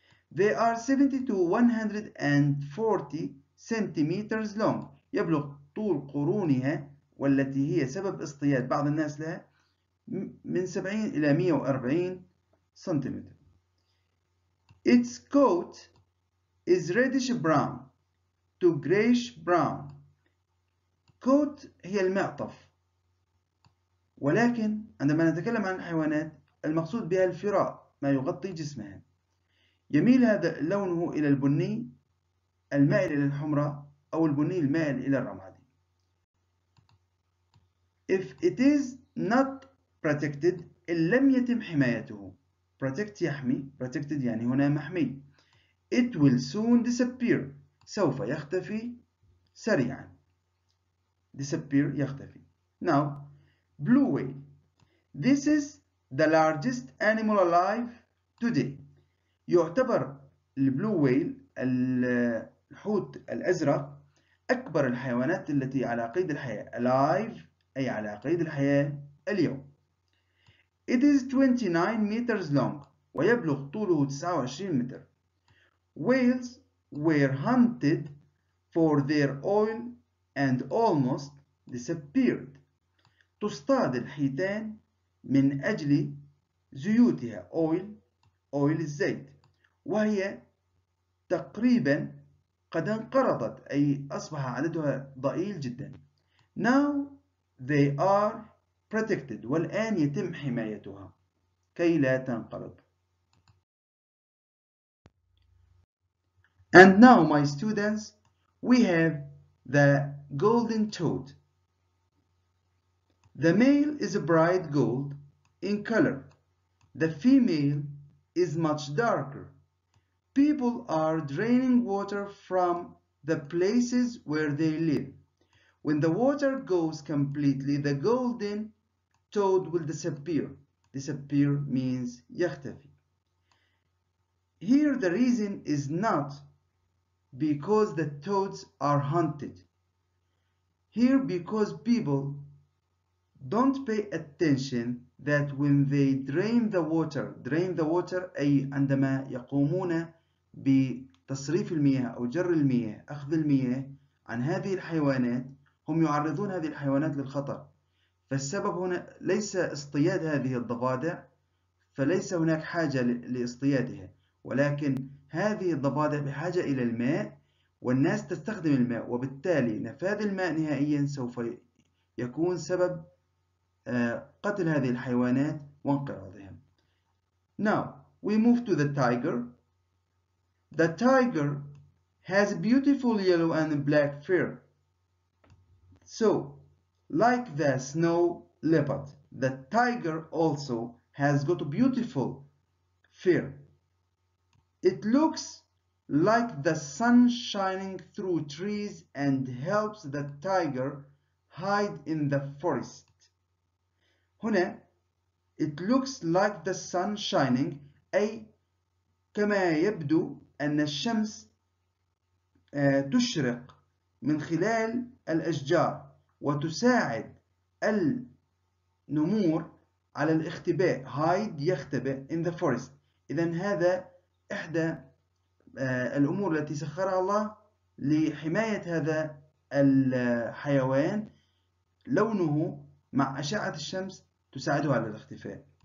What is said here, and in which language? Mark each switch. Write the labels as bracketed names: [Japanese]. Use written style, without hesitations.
[English] They are 70 to 140 centimeters long. [Arabic] يبلغ طول قرونها والتي هي سبب اصطياد بعض الناس لها من 70 إلى 140 سنتيمتر. [English] Its coat is reddish brown to grayish brown. [Arabic] Coat هي المعطف. ولكن عندما نتكلم عن الحيوانات المقصود بها الفراء ما يغطي جسمها. يميل هذا لونه إلى البني المائل إلى الحمرة أو البني المائل إلى الرمادي. [English] If it is not protected, [Arabic] إن لم يتم حمايته. [English] Protect يحمي. [Arabic] Protected يعني هنا محمي. [English] It will soon disappear. [Arabic] سوف يختفي سريعا. [English] Disappear يختفي. Now, blue whale. This is the largest animal alive today. [Arabic] يعتبر البلو ويل الحوت الأزرق أكبر الحيوانات التي على قيد الحياة. Alive أي على قيد الحياة اليوم. [English] It is 29 meters long [Arabic] ويبلغ طوله 29 متر. [English] Whales were hunted for their oil and almost disappeared. [Arabic] تصطاد الحيتان من أجل زيوتها. Oil الزيت. وهي تقريبا قد انقرضت، أي أصبح عددها ضئيل جدا. [English] Now they are protected، [Arabic] والآن يتم حمايتها كي لا تنقرض. [English] And now my students, we have the golden toad. The male is bright gold in color. The female is much darker. People are draining water from the places where they live. When the water goes completely, the golden toad will disappear. Disappear means يختفي. Here the reason is not because the toads are hunted. Here because people don't pay attention that when they drain the water [Arabic] أي عندما يقومون بتصريف المياه أو جر المياه أخذ المياه عن هذه الحيوانات، هم يعرضون هذه الحيوانات للخطر. فالسبب هنا ليس اصطياد هذه الضفادع، فليس هناك حاجة لاصطيادها، ولكن هذه الضفادع بحاجة إلى الماء والناس تستخدم الماء، وبالتالي نفاذ الماء نهائيا سوف يكون سبب قتل هذه الحيوانات وانقراضهم. [English] Now we move to the tiger. The tiger has beautiful yellow and black fur. So, like the snow leopard, the tiger also has got beautiful fur. It looks like the sun shining through trees and helps the tiger hide in the forest. [Arabic] هنا [English] it looks like the sun shining [Arabic] أي كما يبدو أن الشمس تشرق من خلال الأشجار وتساعد النمور على الاختباء. [English] hide يختبئ in the forest. [Arabic] إذن هذا إحدى الأمور التي سخرها الله لحماية هذا الحيوان، لونه مع أشعة الشمس تساعده على الاختفاء.